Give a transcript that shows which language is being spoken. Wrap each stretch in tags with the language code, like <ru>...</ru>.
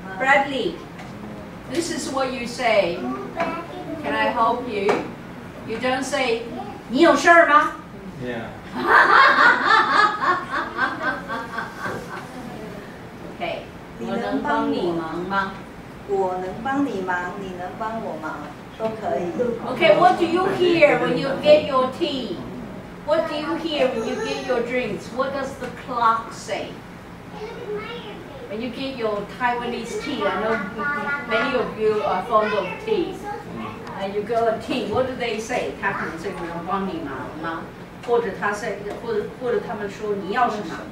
<en>？Bradley， this is what you say。 Can I help you？ You don't say。</en> <zh>你有事儿吗？</zh> <en>Yeah.</en> <zh>OK， 你能帮你忙吗？我能帮你忙，你能帮我忙，都可以。</zh> <en>OK， what do you hear when you get your tea? What do you hear when you get your drinks? What does the clock say? When you get your Taiwanese tea, I know many of you are fond of tea. You go a team. What do they say?</en> <zh>他可能说我能帮你忙吗？或者他说，或者他们说你要什么？</zh>